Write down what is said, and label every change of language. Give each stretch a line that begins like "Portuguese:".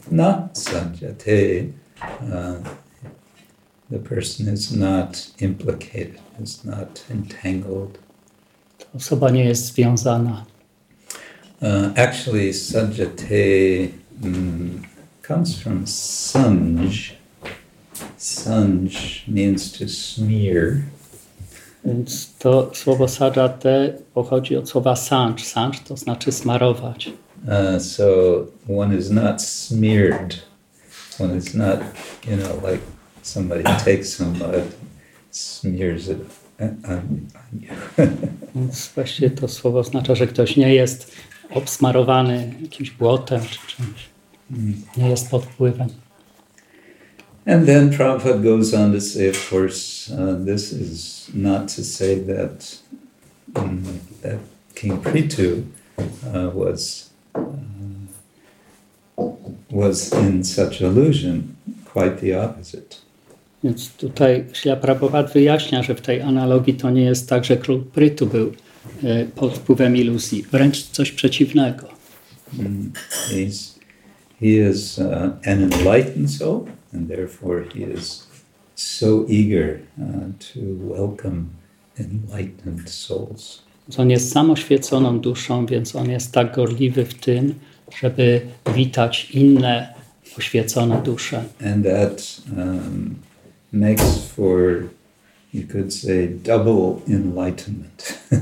English: na sanjate, the person is not implicated, is not entangled.
Polish: Ta osoba nie jest związana.
English: Actually, sanjate comes from sanj. Sanj means to smear.
Polish: Więc to słowo sadżate pochodzi od słowa sanj. Sanj to znaczy smarować.
English: So one is not smeared. One is not, you know, like somebody takes some mud, smears it on you.
Polish: Więc właśnie to słowo oznacza, że ktoś nie jest obsmarowany jakimś błotem czy czymś. Nie jest pod wpływem.
English: And then Prabhupada goes on to say, of course, this is not to say that that King Prithu was in such illusion, quite the opposite.
Polish: Więc tutaj Śrīla Prabhupāda wyjaśnia, że w tej analogii to nie jest tak, że król Prithu był pod wpływem iluzji. Wręcz coś przeciwnego.
English: He is an enlightened soul. And therefore he is so eager to welcome enlightened souls.
Polish: On jest samoświeconą duszą, więc on jest tak gorliwy w tym, żeby witać inne oświecone dusze.
English: And that makes for, you could say, double enlightenment.